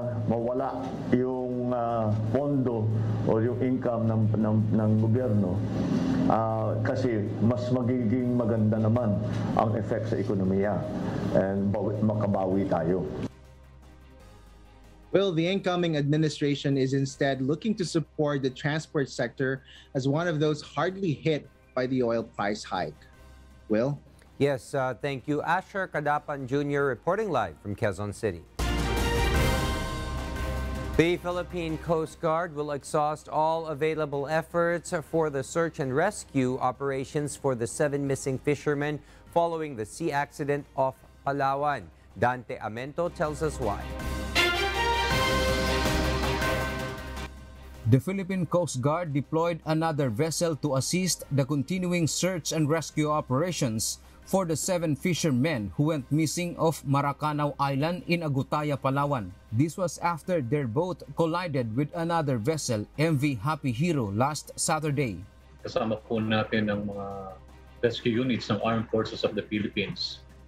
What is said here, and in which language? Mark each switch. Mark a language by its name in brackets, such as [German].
[Filipino] mawala yung pondo o yung income ng gobyerno, kasi mas magiging maganda naman ang effect sa ekonomiya and makabawi tayo. [English] Well, the incoming administration is instead looking to support the transport sector as one of those hardly hit by the oil price hike. Will? Yes, thank you. Asher Kadapan Jr. reporting live from Quezon City. The Philippine Coast Guard will exhaust all available efforts for the search and rescue operations for the 7 missing fishermen following the sea accident off Palawan. Dante Amento tells us why. The Philippine Coast Guard deployed another vessel to assist the continuing search and rescue operations for the 7 fishermen who went missing off Maracanaw Island in Agutaya, Palawan. This was after their boat collided with another vessel, MV Happy Hero, last Saturday. [Filipino] Kasama po natin ang mga rescue units ng Armed Forces of the Philippines.